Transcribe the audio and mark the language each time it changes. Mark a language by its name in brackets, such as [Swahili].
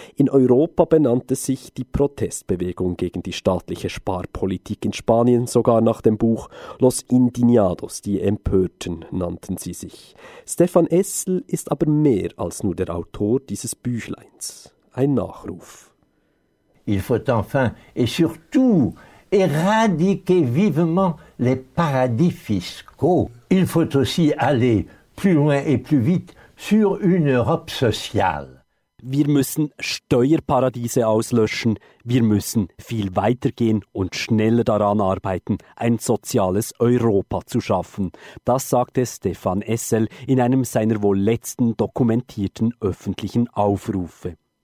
[German] In Europa benannte sich die Protestbewegung gegen die staatliche Sparpolitik in Spanien sogar nach dem Buch. Los Indignados, die Empörten, nannten sie sich. Stefan Essel ist aber mehr als nur der Autor dieses Büchleins. Ein Nachruf. [French] Il faut enfin et surtout éradiquer vivement les paradis fiscaux. Il faut aussi aller plus loin et plus vite sur une Europe sociale. [German] Wir müssen Steuerparadiese auslöschen. Wir müssen viel weiter gehen und schneller daran arbeiten, ein soziales Europa zu schaffen. Das sagte Stefan Essel in einem seiner wohl letzten dokumentierten öffentlichen Aufrufe.